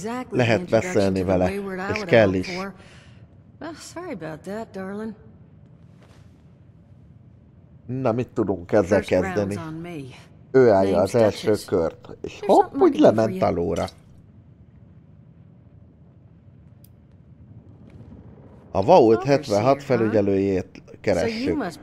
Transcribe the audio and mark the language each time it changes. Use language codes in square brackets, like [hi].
[hu] Lehet beszélni vele, és kell is. [en] Sorry about that, darling. [hu] Na, mit tudunk ezzel kezdeni? Ő állja az első kört, és hopp, úgy lement alóra. A Vault 76 felügyelőjét keressük.